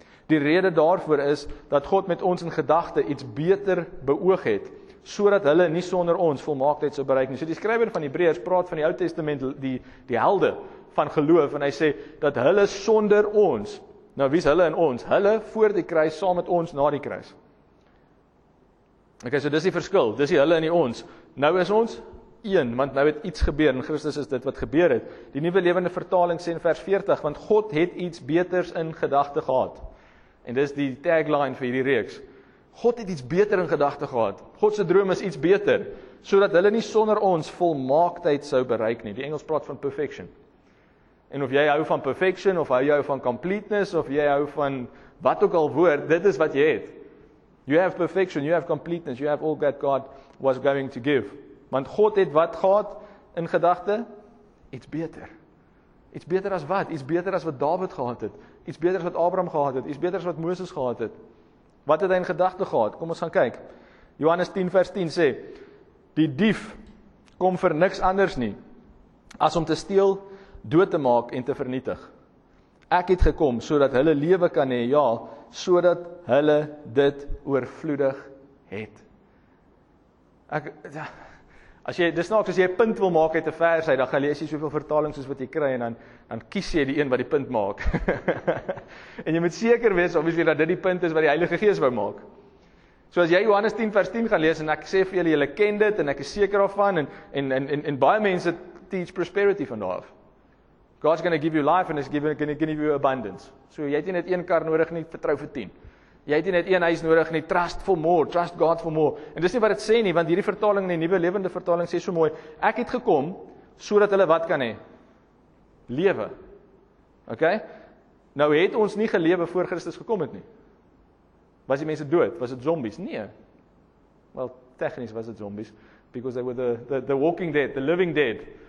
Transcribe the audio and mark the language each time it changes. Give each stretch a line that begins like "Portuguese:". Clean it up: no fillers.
Afrikaans: Die rede daarvoor is dat God met ons in gedagte iets beter beoog het, sodat hulle nie sonder ons volmaaktheid sou bereik nie. So die skrywer van Hebreërs praat van die Ou Testament die helde van geloof en hy sê dat hulle sonder ons, nou wie is hulle en ons? Hulle voor die kruis, saam met ons na die kruis. Okay, so dis die verskil, dis die hulle en die ons. Nou is ons een, want nou het iets gebeur en Christus is dit wat gebeur het. Die Nuwe Lewende Vertaling sê in vers 40, want God het iets beters in gedagte gehad. En dis die tagline vir hierdie reeks. God het iets beter in gedagte gehad. God se droom is iets beter, sodat hulle nie sonder ons volmaaktheid sou bereik nie. Die Engels praat van perfection. En of jy hou van perfection, of hou jy van completeness, of jy hou van wat ook al woord, dit is wat jy het.
English: You have perfection, you have completeness, you have all that God was going to give.
Afrikaans: Want God het wat gehad in gedagte? Iets beter. Iets beter as wat? Iets beter as wat David gehad het. Iets beter as wat Abraham gehad het. Iets beter as wat Moses gehad het. Wat het hy in gedagte gehad? Kom ons gaan kyk. Johannes 10 vers 10 sê, die dief kom vir niks anders nie, as om te steel, dood te maak en te vernietig. Ek het gekom, sodat hulle lewe kan hê, ja, sodat hulle dit oorvloedig het. As jy dis nou as jy 'n punt wil maak uit 'n vers uit, dan gaan jy lees jy soveel vertalings soos wat jy kry en dan kies jy die een wat die punt maak. En jy moet seker wees obviously dat dit die punt is wat die Heilige Gees wou maak. So as jy Johannes 10 vers 10 gaan lees en ek sê vir julle julle ken dit en ek is seker daarvan en baie mense teach prosperity van daar af.
English: God's going to give you life and he's going to give you abundance.
Afrikaans: So jy het nie net een kar nodig nie, vertrou vir 10. Jy het net een huis nodig nie,
English: trust for more, trust God for more.
Afrikaans: En dis nie wat dit sê nie, want hierdie vertaling in die nuwe lewende vertaling sê so mooi, ek het gekom, sodat hulle wat kan hê? Lewe. Ok? Nou het ons nie gelewe voor Christus gekom het nie. Was die mense dood? Was het zombies? Nee. Wel, technisch was het zombies,
English: because they were the walking dead, the living dead.